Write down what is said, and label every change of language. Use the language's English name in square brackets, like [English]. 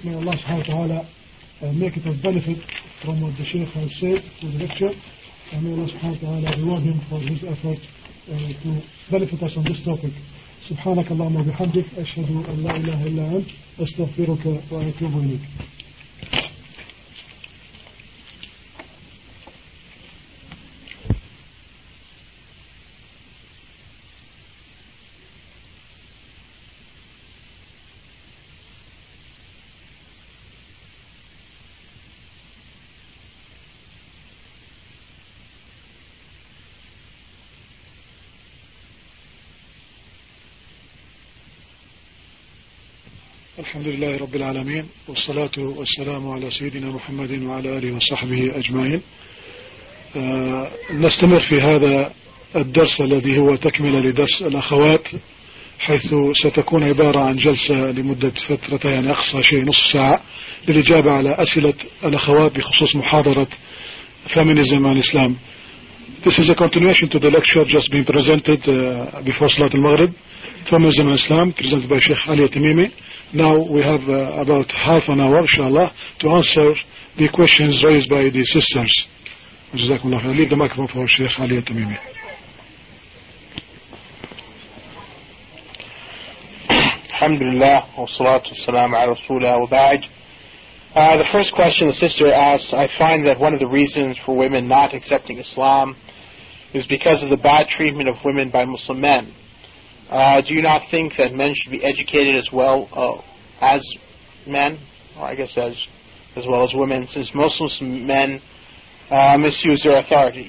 [English] May Allah subhanahu wa ta'ala make it a benefit from what the Sheikh has said to the lecture. And may Allah subhanahu wa ta'ala reward him for his effort to benefit us on this topic. [Arabic] سبحانك اللهم وبحمدك أشهد أن لا إله إلا أنت أستغفرك وأتوب إليك. الحمد لله رب العالمين والصلاة والسلام على سيدنا محمد وعلى آله وصحبه أجمعين. نستمر في هذا الدرس الذي هو تكملة لدرس الأخوات، حيث ستكون عبارة عن جلسة لمدة فترتين، أقصى شيء نصف ساعة، للإجابة على أسئلة الأخوات بخصوص محاضرة Feminism and Islam. [English] This is a continuation to the lecture just being presented before Salat al-Maghrib, Feminism and Islam, presented by Sheikh Ali Tamimi. Now we have about half an hour, inshallah, to answer the questions raised by the sisters. Jazakumullah. I'll leave the microphone for Sheikh Ali Tamimi. [Arabic] الحمد لله والصلاة والسلام على رسوله وبعد. [English] The first question the sister asked, I find that one of the reasons for women not accepting Islam is because of the bad treatment of women by Muslim men. Do you not think that men should be educated as well as men, or I guess as well as women, since Muslims men misuse their authority?